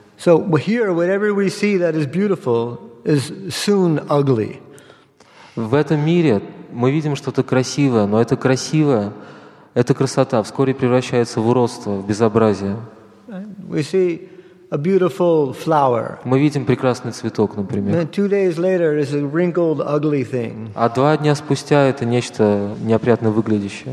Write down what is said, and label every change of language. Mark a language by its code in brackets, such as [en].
[en] So here, whatever we see that is beautiful is soon ugly. [ru] В этом мире мы видим что-то красивое, но это красивое, эта красота вскоре превращается в уродство, в безобразие. [en] We see a beautiful flower. [ru] Мы видим прекрасный цветок, например. [en] Then 2 days later is a wrinkled, ugly thing. [ru] А 2 дня спустя это нечто неопрятно выглядящее.